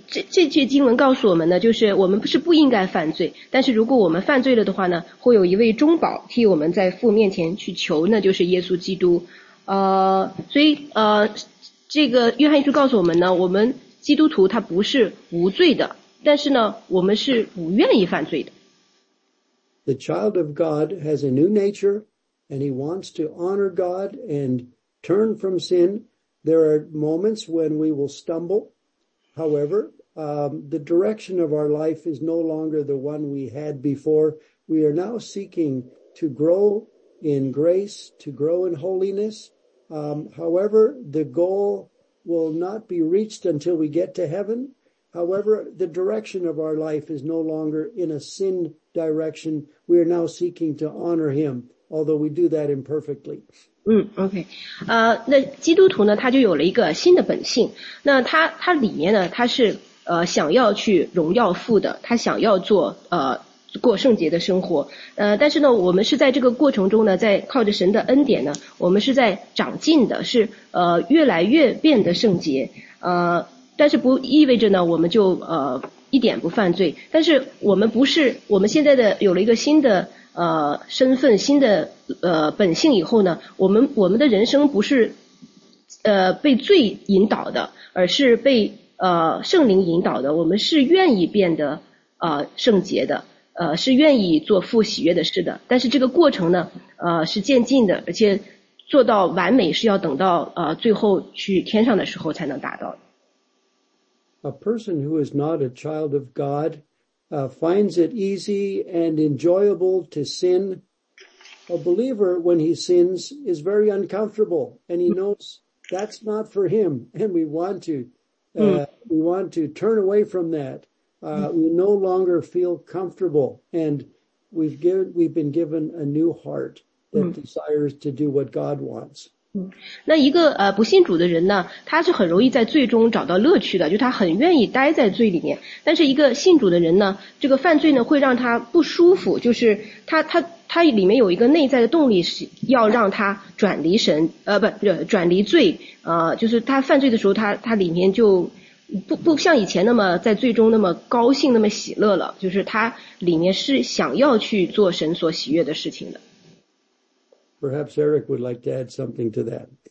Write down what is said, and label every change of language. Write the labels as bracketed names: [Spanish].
[Chinese] 这句经文告诉我们呢，就是我们不是不应该犯罪，但是如果我们犯罪了的话呢，会有一位中保替我们在父面前去求，那就是耶稣基督。所以这个约翰一书告诉我们呢，我们基督徒他不是无罪的，但是呢，我们是不愿意犯罪的。 [English] The child of God has a new nature. And he wants to honor God and turn from sin. There are moments when we will stumble. However, the direction of our life is no longer the one we had before. We are now seeking to grow in grace, to grow in holiness. However, the goal will not be reached until we get to heaven. However, the direction of our life is no longer in a sin direction. We are now seeking to honor him. Although we do that imperfectly. [Chinese] 那基督徒呢，他就有了一个新的本性。那他里面呢，他是想要去荣耀父的，他想要做过圣洁的生活。但是呢，我们是在这个过程中呢，在靠着神的恩典呢，我们是在长进的，是越来越变得圣洁。但是不意味着呢，我们就一点不犯罪。但是我们不是我们现在的有了一个新的。身份新的本性以后呢，我们的人生不是被罪引导的，而是被圣灵引导的。我们是愿意变得圣洁的，是愿意做父喜悦的事的。但是这个过程呢，是渐进的，而且做到完美是要等到最后去天上的时候才能达到的。 [English] A person who is not a child of God. Finds it easy and enjoyable to sin. A believer, when he sins, is very uncomfortable, and he knows that's not for him, and we want to turn away from that. We no longer feel comfortable, and we've been given a new heart that desires to do what God wants. [Chinese] 那一个不信主的人呢，他是很容易在罪中找到乐趣的，就他很愿意待在罪里面。但是一个信主的人呢，这个犯罪呢会让他不舒服，就是他里面有一个内在的动力是要让他转离神，转离罪，就是他犯罪的时候，他里面就不像以前那么在罪中那么高兴那么喜乐了，就是他里面是想要去做神所喜悦的事情的。 [English] Perhaps Eric would like to add something to that.